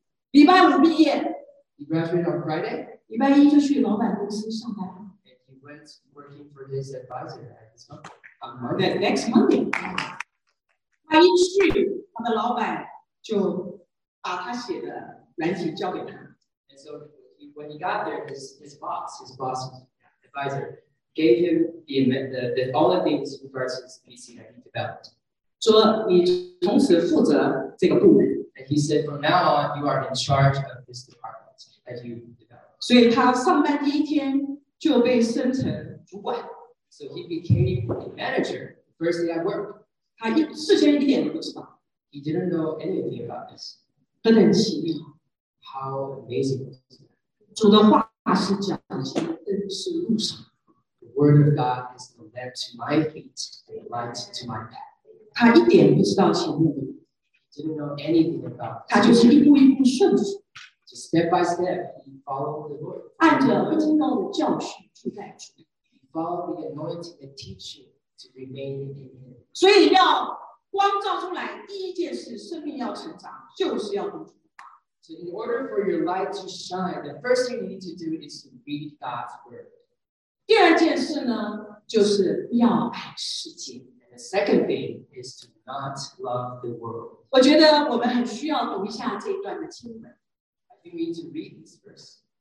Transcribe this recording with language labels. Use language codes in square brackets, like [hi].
[zh] 礼拜五毕业。 [en] He graduated on Friday. [zh] 礼拜一就去老板公司上班。 [en] And he went working for his advisor at his company on Monday. The next Monday. [zh] 他一去，他的老板就把他写的软体交给他。 [en] And so when he got there, his boss, advisor, gave him the all the things regards his PC that he developed. [zh] 说你从此负责这个部门。 [en] And he said, from now on, you are in charge of this department that you developed. [zh] 所以他上班第一天就被升成主管。 [en] So he became a manager the first day at work. [zh] 他一事先一点都不知道。 [en] He didn't know anything about this. [zh] 真的很奇妙。 [en] How amazing was that? [zh] 主的话是脚前的灯，是路上。 [en] The word of God is the lamp to my feet, the light to my path. [zh] 他一点不知道前面的路。 [en] Didn't know anything about. [zh] 他就是一步一步顺服。 [en] Just step by step, he followed the Lord. [zh] 按着不听到的教训住在主。 [en] Follow the anointing and teaching to remain in him. [zh] 所以要光照出来，第一件事，生命要成长，就是要读主。 [en] So in order for your light to shine, the first thing you need to do is to read God's word. [zh] 第二件事呢，就是不要爱世界。 [en] And the second thing is to not love the world. [zh] 我觉得我们很需要读一下这一段的经文。 [en] I think we need to read this verse.